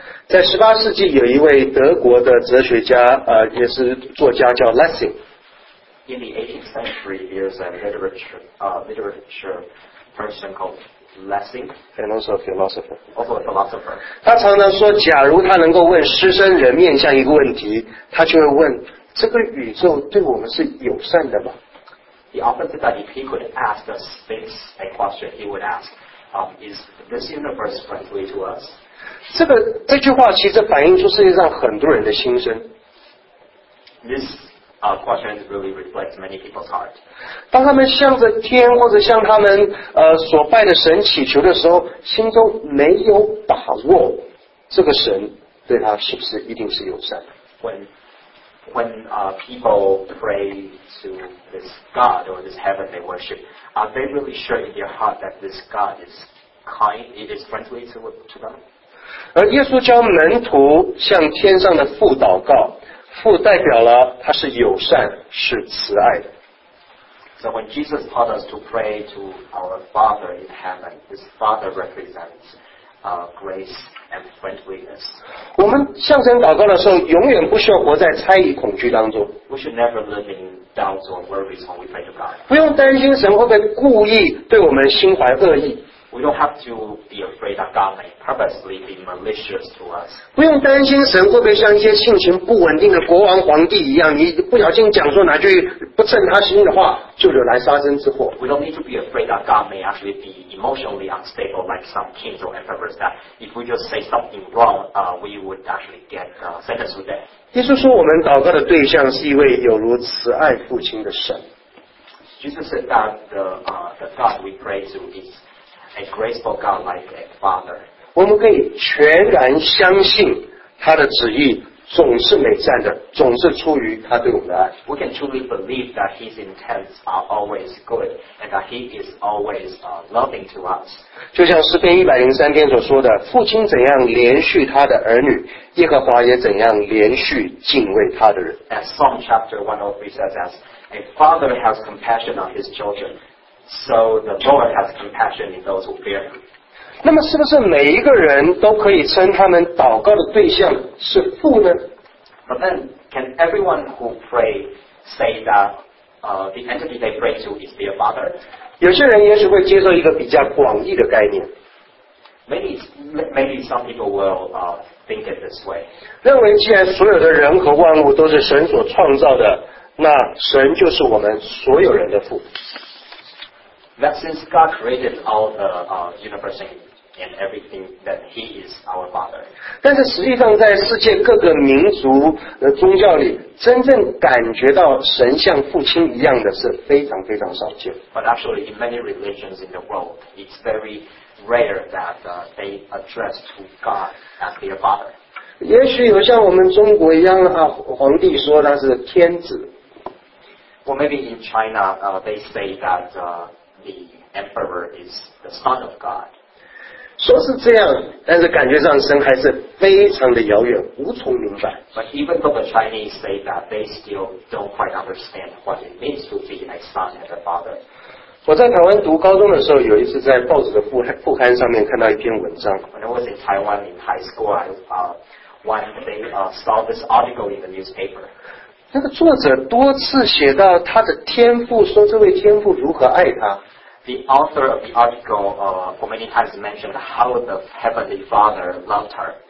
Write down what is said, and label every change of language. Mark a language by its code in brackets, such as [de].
[zh] 在十八世纪，有一位德国的哲学家，也是作家，叫 Lessing. [en] In the 18th century, there's a literature person called And also a philosopher. Also a philosopher. [zh] 他常常说，假如他能够问狮身人面向一个问题，他就会问：这个宇宙对我们是友善的吗？ [en] He often said that if he could ask the Sphinx a question, he would ask, "Is this universe friendly to us?" [zh] 这句话其实反映出世界上很多人的心声。 [en] This question really reflects many people's heart. [zh] 当他们向着天或者向他们所拜的神祈求的时候，心中没有把握，这个神对他是不是一定是友善的？ [en] When people pray to this God or this heaven they worship, are they really sure in their heart that this God is kind, it is friendly to them? [zh] 而耶稣教门徒向天上的父祷告。父代表了他是友善是慈爱的。 [en] So when Jesus taught us to pray to our Father in heaven, this Father represents grace and friendliness. [zh] 我们向神祷告的时候，永远不需要活在猜疑恐惧当中。 [en] We should never live in doubts or worries when we pray to God. [zh] 不用担心神会不会故意对我们心怀恶意。 [en] We don't have to be afraid that God may purposely be malicious to us. [zh] 不用担心神会不会像一些性情不稳定的国王皇帝一样，你不小心讲出哪句不称他心的话，就惹来杀身之祸。 [en] We don't need to be afraid that God may actually be emotionally unstable like some kings or emperors. That if we just say something wrong, we would actually get sentenced to death. [zh] 耶稣说，我们祷告的对象是一位有如慈爱父亲的神。 [en] Jesus said that the God we pray to is. A graceful God like a father. [zh] 我们可以全然相信他的旨意总是美善的，总是出于他对我们的爱。 [en] We can truly believe that his intents are always good and that he is always loving to us. [zh] 就像诗篇103篇所说的，父亲怎样连续他的儿女，耶和华也怎样连续敬畏他的人。 [en] As Psalm chapter 103 says, as a father has compassion on his children,So the Lord has compassion in those who fear Him. [zh] 那么是不是每一个人都可以称他们祷告的对象是父呢？ [en] But then, can everyone who pray say that the entity they pray to is their father? [zh] 有些人也许会接受一个比较广义的概念。 [en] Maybe some people will think it this way. [zh] 认为既然所有的人和万物都是神所创造的，那神就是我们所有人的父。 [en] That since God created all the universe and everything, that He is our Father. [zh] 但是实际上，在世界各个民族的宗教里，真正感觉到神像父亲一样的是非常非常少见。 [en] But actually, in many religions in the world, it's very rare that they address to God as their Father. [zh] 也许有像我们中国一样啊，皇帝说他是天子。 [en] Well, maybe in China, they say that. The emperor is the son of God. [zh] 说是这样，但是感觉上神还是非常的遥远，无从明白。 [en] But even though the Chinese say that, they still don't quite understand what it means to be a son and a father. [zh] 我在台湾读高中的时候，有一次在报纸的副刊上面看到一篇文章。 [en] When I was in Taiwan in high school, I one day saw this article in the newspaper. [zh] 那个作者多次写到他的天父，说这位天父如何爱他。 [en] The author of the article, for many times mentioned how the heavenly father loved her.